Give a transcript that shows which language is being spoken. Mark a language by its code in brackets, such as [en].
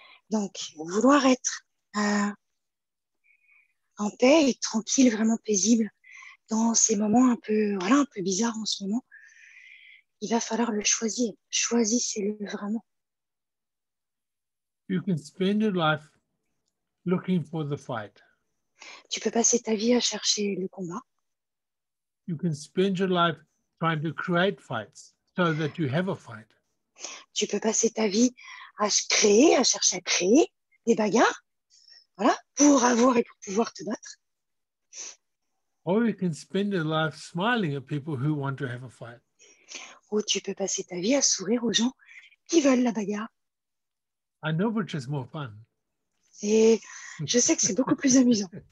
[fr] Donc, vouloir être en paix et tranquille, vraiment paisible dans ces moments un peu, voilà, un peu bizarres en ce moment, il va falloir le choisir. Choisissez-le vraiment. [en] You can spend your life looking for the fight. [fr] Tu peux passer ta vie à chercher le combat. [en] You can spend your life trying to create fights so that you have a fight. [fr] Tu peux passer ta vie à créer, à chercher à créer des bagarres, voilà, pour avoir et pour pouvoir te battre. [en] Or you can spend your life smiling at people who want to have a fight. [fr] Ou tu peux passer ta vie à sourire aux gens qui veulent la bagarre. [en] I know which is more fun. [fr] Et je sais que c'est beaucoup plus amusant.